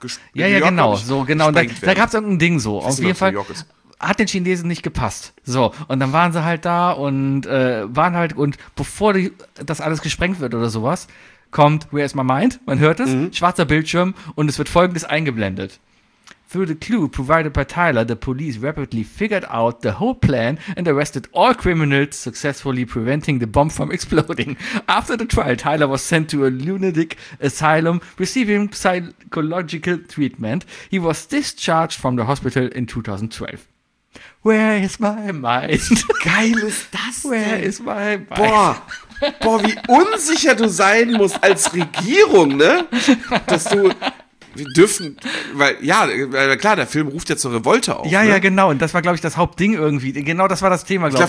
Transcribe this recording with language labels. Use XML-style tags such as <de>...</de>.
<de>gesprengt werden. Ja, genau. So, genau. Da gab es irgendein Ding so. Auf jeden Fall hat den Chinesen nicht gepasst. So, und dann waren sie halt da und waren halt... Und bevor das alles gesprengt wird oder sowas, kommt Where is my mind? Man hört es. Mhm. Schwarzer Bildschirm. Und es wird Folgendes eingeblendet.</de> <en>Through the clue provided by Tyler, the police rapidly figured out the whole plan and arrested all criminals, successfully preventing the bomb from exploding. After the trial, Tyler was sent to a lunatic asylum, receiving psychological treatment. He was discharged from the hospital in 2012. Where is my mind?</en> <de>Geil ist das denn?</de> <en>Where is my mind?</en> <de>Boah, wie unsicher du sein musst als Regierung, ne? Dass du... Wir dürfen, weil klar, der Film ruft ja zur Revolte auf. Ja, ne? Ja, genau. Und das war, glaube ich, das Hauptding irgendwie. Genau das war das Thema, glaube ich.</de>